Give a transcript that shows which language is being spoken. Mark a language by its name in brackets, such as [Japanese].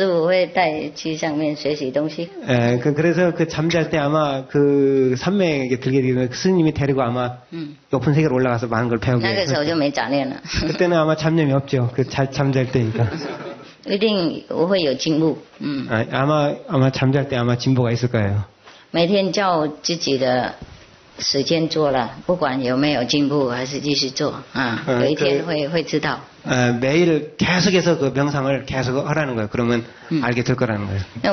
[Chinese] 那个时候师傅会带去上面学习东西。 [Korean] 그래서 그 잠잘 때 아마 그 삼매에게 들게 되면 스님이 데리고 아마 높은 세계로 올라가서 많은 걸 배우게 돼요. 那个时候就没杂念了。 그때는 아마 잡념이 없죠. 그 잠잘 때니까. [Chinese] 一定我会有进步。 [Korean] 아마 잠잘 때 아마 진보가 있을 거예요. [Chinese] 每天照自己的时间做了，不管有没有进步，还是继续做。有一天会知道。 [Korean] 매일 계속해서 그 명상을 계속 하라는 거예요. 그러면 알게 될 거라는 거예요.